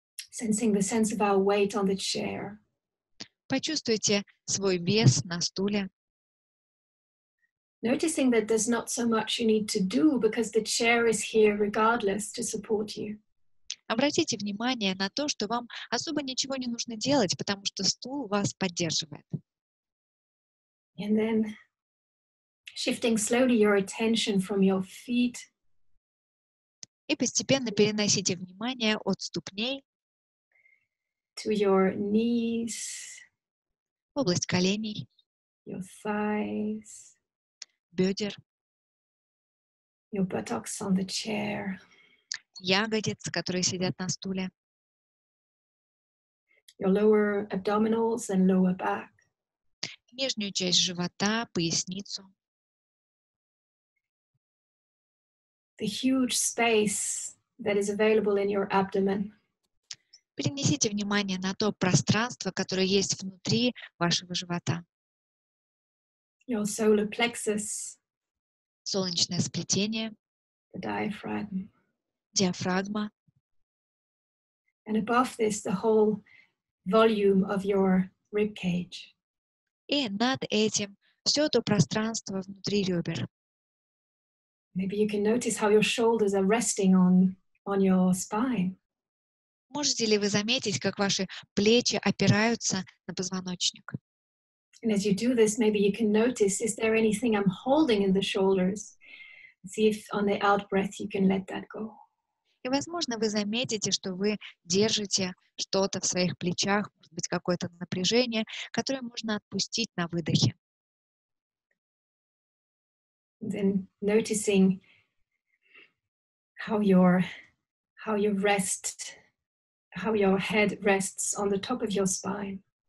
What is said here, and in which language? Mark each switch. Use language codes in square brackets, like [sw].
[en] Sensing the sense of our weight on the chair. [ru] Почувствуйте свой вес на стуле. [en] Noticing that there's not so much you need to do because the chair is here regardless to support you. [ru] Обратите внимание на то, что вам особо ничего не нужно делать, потому что стул вас поддерживает. [en] And then shifting slowly your attention from your feet. [ru] И постепенно переносите внимание от ступней [en] to your knees. [ru] В область коленей. [en] Your thighs. [ru] Бедер. [en] Your buttocks on the chair. [ru] Ягодиц, которые сидят на стуле. [en] Your lower abdominals and lower back. [ru] Нижнюю часть живота, поясницу. [en] The huge space that is available in your abdomen. [ru] Перенесите внимание на то пространство, которое есть внутри вашего живота. [en] Your solar plexus. [ru] Солнечное сплетение, [en] the diaphragm. [ru] Диафрагма, [en] and above this, the whole volume of your rib cage. [ru] И над этим все то пространство внутри ребер. [en] Maybe you can notice how your shoulders are resting on your spine. [ru] Можете ли вы заметить, как ваши плечи опираются на позвоночник? [en] And as you do this, maybe you can notice, is there anything I'm holding in the shoulders? See if on the out-breath you can let that go. [ru] И, возможно, вы заметите, что вы держите что-то в своих плечах, может быть, какое-то напряжение, которое можно отпустить на выдохе. [en] And then noticing how your head rests on the top of your spine.